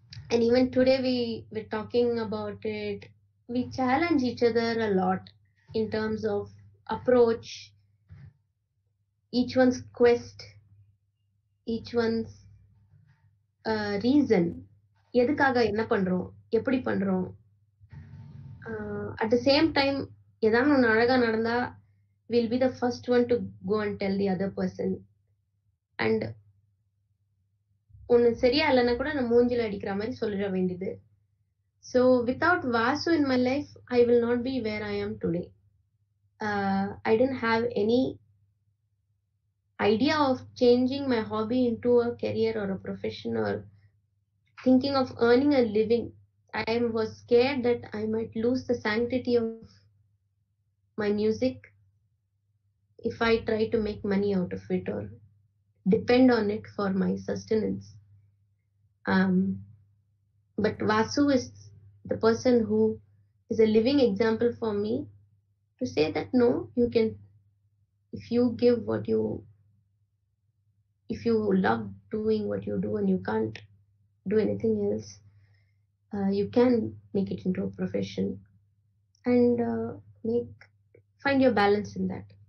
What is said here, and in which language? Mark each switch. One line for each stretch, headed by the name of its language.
English: And even today we were talking about it. We challenge each other a lot in terms of approach, each one's quest, each one's reason.
Tamil: எதுக்காக என்ன பண்றோம், எப்படி பண்றோம்.
English: at the same time
Tamil: ஏதாவது ஒன்று அழகாக நடந்தால்
English: Will be the first one to go and tell the other person.
Tamil: And ஒன்று சரியா இல்லைன்னா கூட நான் மூஞ்சில் அடிக்கிற மாதிரி சொல்லிட வேண்டியது.
English: So without Vasu in my life I will not be where I am today. I don't have any idea of changing my hobby into a career or a profession or thinking of earning a living. I was scared that I might lose the sanctity of my music if I try to make money out of it or depend on it for my sustenance. But Vasu is the person who is a living example for me to say that no, you can, if you give what you, if you love doing what you do and you can't do anything else, you can make it into a profession and find your balance in that.